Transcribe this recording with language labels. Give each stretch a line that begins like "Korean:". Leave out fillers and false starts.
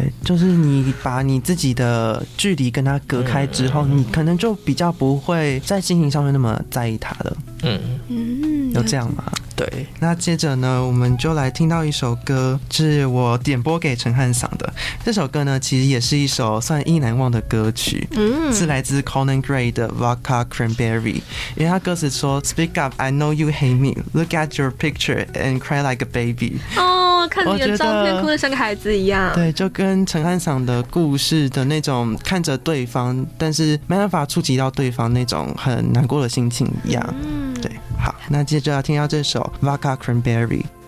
Chinese: 就是你把你自己的距离跟他隔开之后，你可能就比较不会在心情上面那么在意他了。有这样吗？对，那接着呢，我们就来听到一首歌，是我点播给陈汉赏的。这首歌呢，其实也是一首算意难忘的歌曲，是来自 Conan Gray 的 Vodka Cranberry。因为他歌词说
English: ：“Speak up, I know you hate me. Look at your picture and cry like a baby。”
Chinese: 哦，看你的照片哭得像个孩子一样。对，就跟陈汉赏的故事的那种看着对方，但是没办法触及到对方那种很难过的心情一样。对，好，那接着要听到这首 Vodka Cranberry。